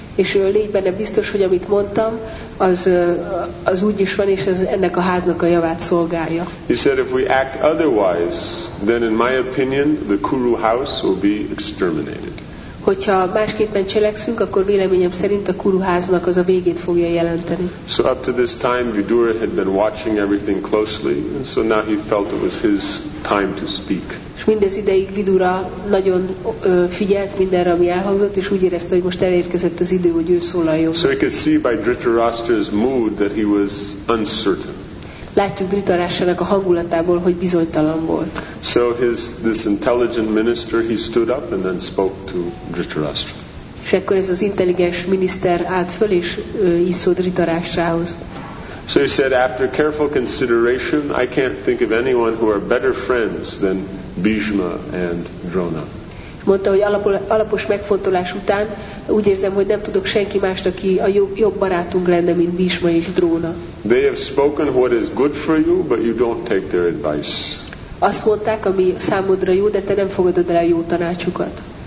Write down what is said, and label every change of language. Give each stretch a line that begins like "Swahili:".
Hungarian: És légy benne biztos, hogy amit mondtam, az úgy is van, és ez ennek a háznak a javát szolgálja.
English: He said, if we act otherwise, then in my opinion, the Kuru house will be exterminated.
Hungarian: Hogyha másképpen cselekszünk, akkor véleményem szerint a Kuru háznak az a végét fogja jelenteni.
English: So up to this time, Vidura had been watching everything closely, and so now he felt it was his time to speak.
Hungarian: És mindez ideig Vidura nagyon figyelt mindenre, ami elhangzott, és úgy érezte, hogy most elérkezett az idő, hogy ő szólaljon.
English: So he could see by Dhritarashtra's mood that he was uncertain.
Hungarian: Látjuk Dhritarashtrának a hangulatából, hogy bizonytalan volt.
English: So this intelligent minister, he stood up and then spoke to Dhritarashtra.
Hungarian: És akkor ez az intelligens miniszter állt föl és így szólt Dhritarashtrához.
English: So he said, after careful consideration, I can't think of anyone who are better friends than Bhishma and Drona.
Hungarian: Mondta, hogy alapos megfontolás után úgy érzem, hogy nem tudok senki mást, aki a jobb barátunk lenne, mint Bhishma és Drona.
English: They have spoken what is good for you, but you don't take their advice.
Hungarian: Azt mondták, ami számodra jó, de te nem fogadod el a jó tanácsukat.